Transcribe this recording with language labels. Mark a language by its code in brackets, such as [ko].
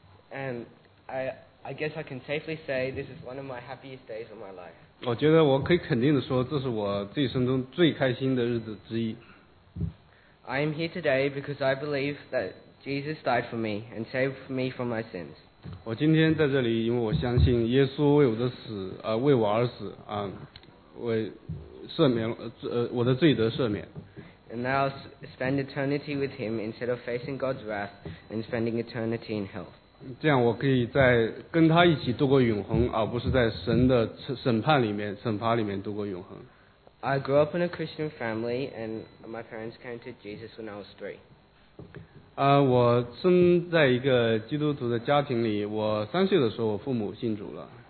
[en] And I guess I can safely say this is one of my happiest days of my life. [zh] 我觉得我可以肯定的说，这是我这一生中最开心的日子之一。 [en] I am here today because I believe that Jesus died for me and saved me from my sins. [zh] 我今天在这里，因为我相信耶稣为我的死，为我而死，为赦免，我的罪得赦免。 [en] And now spend eternity with him instead of facing God's wrath and spending eternity in hell. [zh] 这样我可以在跟他一起度过永恒，而不是在神的惩罚里面度过永恒。 [en] I grew up in a Christian family, and my parents came to Jesus when I was 3. [zh] 我生在一个基督徒的家庭里，我3岁的时候，我父母信主了。